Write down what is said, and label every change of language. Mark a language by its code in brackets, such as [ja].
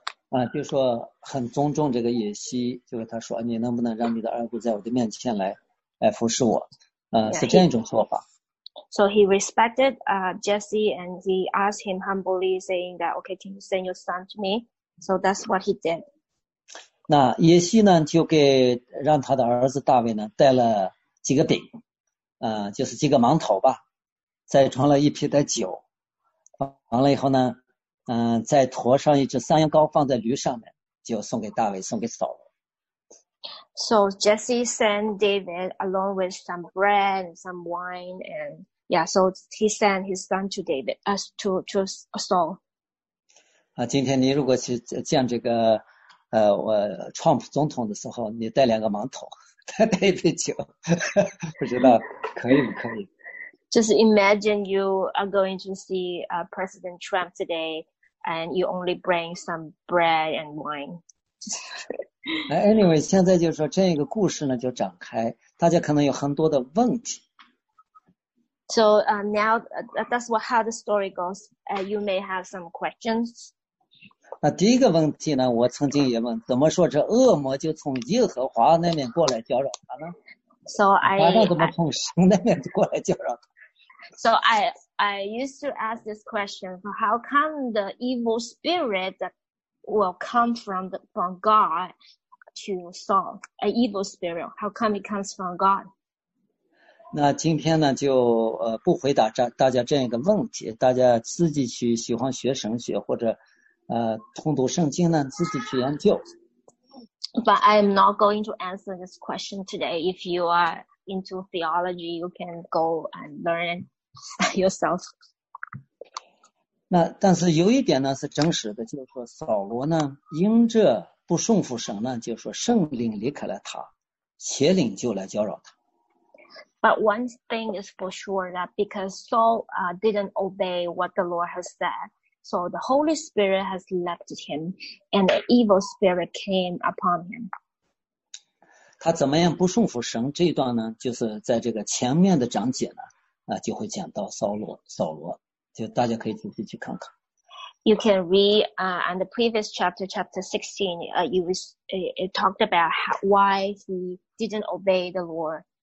[zh] 啊，就说很尊重这个耶西，就跟他说，你能不能让你的儿子在我的面前来，来服侍我？是这样一种做法。 [en] So he respected, Jesse and he asked him humbly saying that, okay, can you send your son to me? So that's what he did. [zh] 那耶西呢就给让他的儿子大卫呢带了几个饼，就是几个馒头吧，再装了一批的酒，完了以后呢，再驮上一只山羊羔放在驴上面，就送给大卫，送给扫罗。 [en] So Jesse sent David along with some bread and some wine, and yeah, so he sent his son to David as to Saul. [zh] 啊，今天你如果去见这个，我 Trump 总统的时候，你带两个馒头，带一杯酒，不知道可以不可以 [en] ？Just imagine you are going to see President Trump today, and you only bring some bread and wine. Anyway, [zh] 现在就是说这一个故事呢就展开，大家可能有很多的问题。 [en] So now that's what how the story goes. You may have some questions. [zh] 那第一个问题呢，我曾经也问，怎么说这恶魔就从耶和华那边过来搅扰他呢 [en] ？So I [zh] 撒旦怎么从神那边过来搅扰他 [en] ？So I used to ask this question: How come the evil spirit that will come from God to Saul, an evil spirit. How come it comes from God? [zh] 那今天呢，就不回答大家这样一个问题。大家自己去喜欢学神学或者通读圣经呢，自己去研究。 [en] But I'm not going to answer this question today. If you are into theology, you can go and learn yourself. [zh] 那但是有一点呢是真实的，就是说扫罗呢因着不顺服神呢，就是说圣灵离开了他，邪灵就来搅扰他。 [en] But one thing is for sure that because Saul didn't obey what the Lord has said, so the Holy Spirit has left him and the evil spirit came upon him. [zh] 他怎么样不顺服神这一段呢，就是在这个前面的章节呢就会讲到扫罗。就大家可以仔细去看看。 [en] You can read on the previous chapter 16. It talked about why he didn't obey the Lord.